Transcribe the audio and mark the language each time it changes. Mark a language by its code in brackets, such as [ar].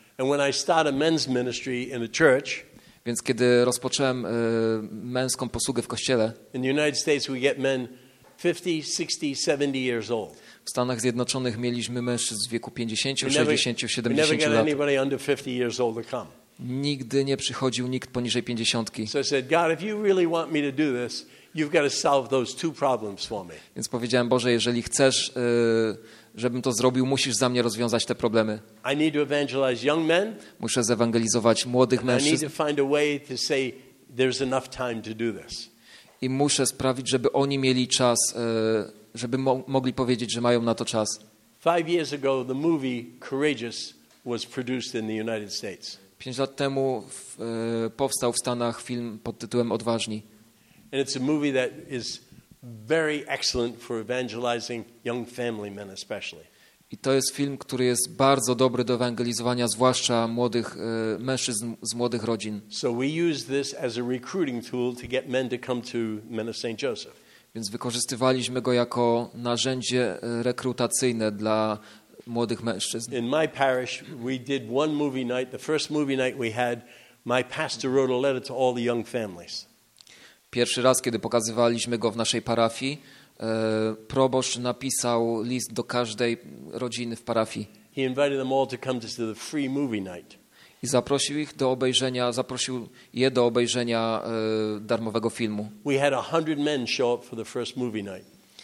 [en] And when I start a men's ministry in a church, [pl] więc kiedy rozpocząłem męską posługę w kościele, [en] in the United States we get men 50, 60, 70 years old. [pl] W Stanach Zjednoczonych mieliśmy mężczyzn w wieku 50, 60, 70 lat. [en] We never get anybody under 50 years old to come. [pl] Nigdy nie przychodził nikt poniżej 50. [en] So I said, God, if you really want me to do this, you've got to solve those two problems for me. [pl] Więc powiedziałem, Boże, jeżeli chcesz, żebym to zrobił, musisz za mnie rozwiązać te problemy. [en] I need to evangelize young men. [pl] Muszę zewangelizować młodych mężczyzn. [en] I need to find a way to say there's enough time to do this. [pl] I muszę sprawić, żeby oni mieli czas, żeby mogli powiedzieć, że mają na to czas. [en] 5 years ago, the movie Courageous was produced in the United States. [pl] 5 lat temu powstał w Stanach film pod tytułem Odważni. [en] And it's a movie that is very excellent for evangelizing young family men especially. [pl] I to jest film, który jest bardzo dobry do ewangelizowania, zwłaszcza młodych mężczyzn z młodych rodzin. [en] So we use this as a recruiting tool to get men to come to Men of St. Joseph. [pl] Więc wykorzystywaliśmy go jako narzędzie rekrutacyjne dla młodych mężczyzn. [en] In my parish we did one movie night, the first movie night we had, my pastor wrote a letter to all the young families. [pl] Pierwszy raz, kiedy pokazywaliśmy go w naszej parafii, proboszcz napisał list do każdej rodziny w parafii. [en] He invited them all to come to the free movie night. [pl] I zaprosił ich do obejrzenia, zaprosił je do obejrzenia darmowego filmu. [en] We had 100 men show up for the first movie night.